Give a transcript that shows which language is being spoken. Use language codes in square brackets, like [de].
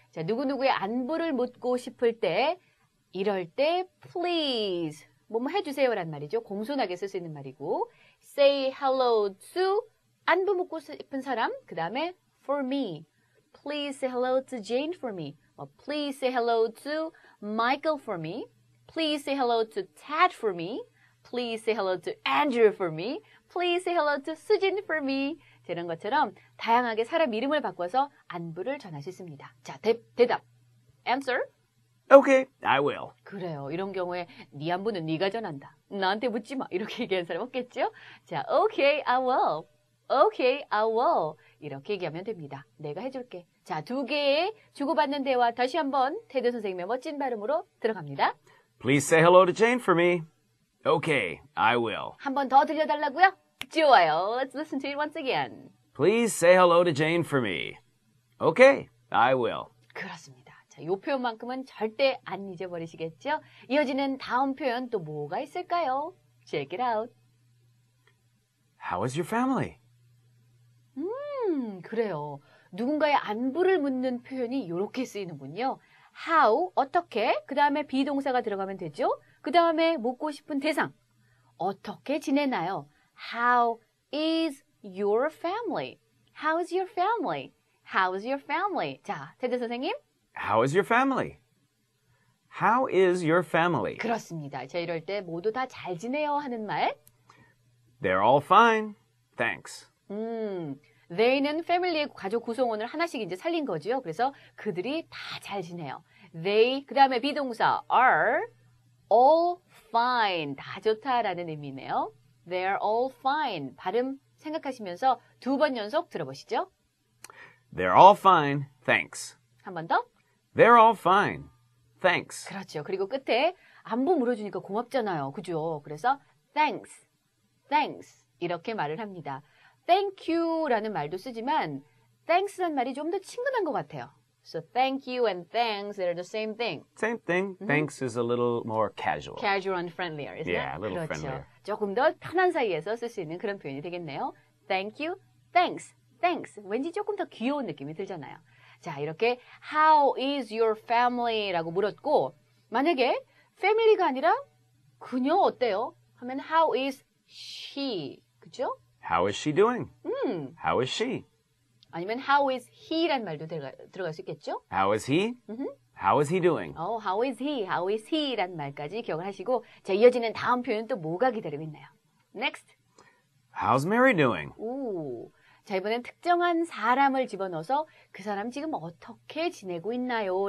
[ko] 자, 누구누구의 안부를 묻고 싶을 때 이럴 때 Please 뭐뭐 해주세요란 말이죠. 공손하게 쓸 수 있는 말이고 [en] Say hello to [ko] 안부 묻고 싶은 사람 그 다음에 [en] For me. Please say hello to Jane for me. Well, please say hello to Michael for me. Please say hello to Ted for me. Please say hello to Andrew for me. Please say hello to Sujin for me. [ko] 이런 것처럼 다양하게 사람 이름을 바꿔서 안부를 전하실 수 있습니다. 자, 대답. [en] Answer. Okay, I will. [ko] 그래요. 이런 경우에 네 안부는 네가 전한다. 나한테 묻지 마. 이렇게 얘기하는 사람 없겠죠? [en] 자, okay, I will. Okay, I will. [ko] 이렇게 얘기하면 됩니다. 내가 해줄게. 자, 두 개의 주고받는 대화 다시 한번 테드 선생님의 멋진 발음으로 들어갑니다. [en] Please say hello to Jane for me. Okay, I will. [ko] 한 번 더 들려달라고요? 좋아요. [en] Let's listen to it once again. Please say hello to Jane for me. Okay, I will. [ko] 그렇습니다. 자, 이 표현만큼은 절대 안 잊어버리시겠죠? 이어지는 다음 표현 또 뭐가 있을까요? [en] Check it out. How is your family? [ko] 그래요. 누군가의 안부를 묻는 표현이 이렇게 쓰이는군요. How, 어떻게, 그 다음에 비동사가 들어가면 되죠. 그 다음에 묻고 싶은 대상, 어떻게 지내나요? [en] How is your family? How is your family? How is your family? [ko] 자, 테드 선생님. [en] How is your family? How is your family? [ko] 그렇습니다. 자, 이럴 때 모두 다 잘 지내요 하는 말. [en] They're all fine. Thanks. [ko] They는 family의 가족 구성원을 하나씩 이제 살린 거죠. 그래서 그들이 다 잘 지내요. [en] They, [ko] 그 다음에 비동사 [en] are all fine. [ko] 다 좋다라는 의미네요. [en] They're all fine. [ko] 발음 생각하시면서 두 번 연속 들어보시죠. [en] They're all fine. Thanks. [ko] 한 번 더. [en] They're all fine. Thanks. [ko] 그렇죠. 그리고 끝에 안부 물어주니까 고맙잖아요. 그죠? 그래서 thanks. Thanks. 이렇게 말을 합니다. Thank you라는 말도 쓰지만 thanks라는 말이 좀 더 친근한 것 같아요. [en] So thank you and thanks, they're the same thing. Same thing. Mm-hmm. Thanks is a little more casual. Casual and friendlier, isn't it? Yeah, a little [ko] 그렇죠. [en] friendlier. [ko] 조금 더 편한 사이에서 쓸 수 있는 그런 표현이 되겠네요. [en] Thank you, thanks, thanks. [ko] 왠지 조금 더 귀여운 느낌이 들잖아요. 자, 이렇게 [en] How is your family? [ko] 라고 물었고 만약에 family가 아니라 그녀 어때요? 하면 [en] How is she? [ko] 그죠? [en] How is she doing? How is she? [ko] 아니면 [en] how is he [ko] 라는 말도 들어갈 수 있겠죠? [en] How is he? How is he doing? Oh, how is he? How is he? [ko] 라는 말까지 기억을 하시고 자, 이어지는 다음 표현 또 뭐가 기다리고 있나요? [en] Next. How's Mary doing? [ko] 오, 자, 이번엔 특정한 사람을 집어넣어서 그 사람 지금 어떻게 지내고 있나요?